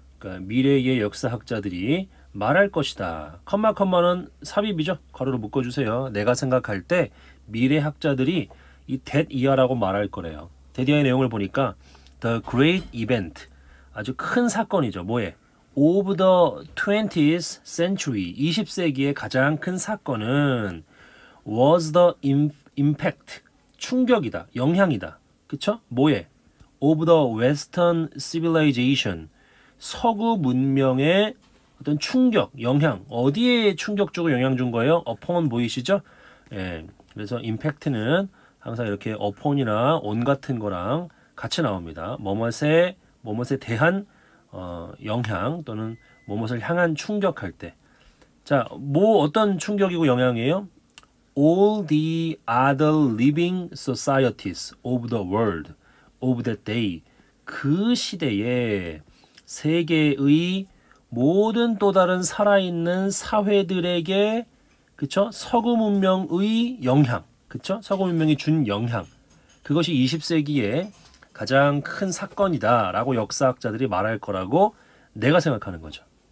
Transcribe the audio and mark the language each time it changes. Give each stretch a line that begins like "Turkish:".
Korean: 그러니까 미래의 역사학자들이 말할 것이다. 컴마 컴마는 삽입이죠. 괄호로 묶어주세요. 내가 생각할 때 미래학자들이 이
English: that year
Korean: 라고 말할 거래요.
English: that year
Korean: 의 내용을 보니까
English: the great event,
Korean: 아주 큰 사건이죠. 뭐에?
English: of the 20th century,
Korean: 20세기의 가장 큰 사건은
English: was the impact,
Korean: 충격이다, 영향이다. 그쵸? 뭐에?
English: of the western civilization,
Korean: 서구 문명의 어떤 충격, 영향. 어디에 충격 주고 영향 준 거예요? upon 보이시죠? 예. 그래서 impact는 항상 이렇게 upon이나 on 같은 거랑 같이 나옵니다. 뭐뭇에 대한 영향 또는 뭐뭇을 향한 충격할 때. 자, 뭐 어떤 충격이고 영향이에요?
English: All the other living societies of the world of that day.
Korean: 그 시대에 세계의 모든 또 다른 살아있는 사회들에게, 그쵸? 서구 문명의 영향, 그쵸? 서구 문명이 준 영향. 그것이 20세기에 가장 큰 사건이다 라고 역사학자들이 말할 거라고 내가 생각하는 거죠.